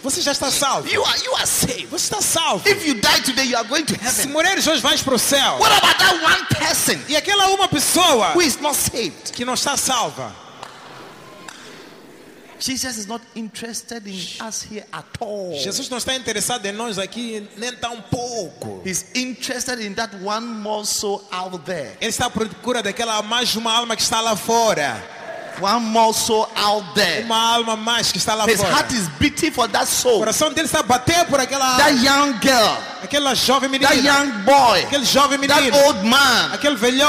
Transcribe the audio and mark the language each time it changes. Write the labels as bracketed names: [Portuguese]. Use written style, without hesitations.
[Portuguese] Você já está salvo. [English] You are saved. [Portuguese] Você está salvo. [English] If you die today, you are going to heaven. [Portuguese] Se morreres hoje, vais para o céu. [English] What about that one person? [Portuguese] E aquela uma pessoa. [English] Who is not saved? [Portuguese] Que não está salva. [English] Jesus is not interested in us here at all. [Portuguese] Jesus não está interessado em nós aqui nem tão pouco. [English] He's interested in that one more soul out there. [Portuguese] Ele está à procura daquela mais uma alma que está lá fora. [English] One more soul out there. [Portuguese] Uma alma mais que está lá [English] His [Portuguese] fora. [English] His heart is beating for that soul. [Portuguese] O coração dele está a bater por aquela [English] alma. That young girl. [Portuguese] Aquela jovem menina. [English] That young boy. [Portuguese] Aquele jovem menino. [English] That old man. [Portuguese] Aquele velhote.